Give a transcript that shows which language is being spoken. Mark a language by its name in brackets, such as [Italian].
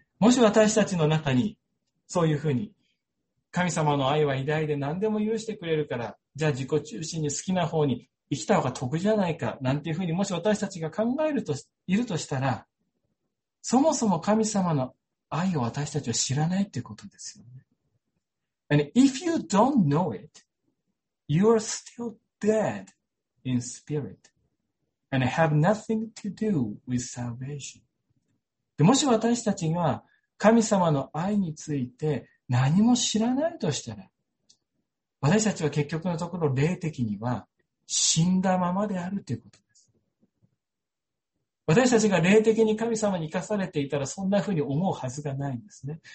[Japanese] もし私たちの中に、そういうふうに、神様の愛は偉大で何でも許してくれるから、じゃあ自己中心に好きな方に生きた方が得じゃないか、なんていうふうに、もし私たちが考えるといるとしたら、そもそも神様の愛を私たちは知らないっていうことですよね。 [English] And if you don't know it, you are still dead in spirit and have nothing to do with salvation. [Japanese] でもし私たちが神様の愛について何も知らないとしたら、私たちは結局のところ霊的には死んだままであるということ。私たちが霊的に神様に生かされていたらそんな風に思うはずがないんですね。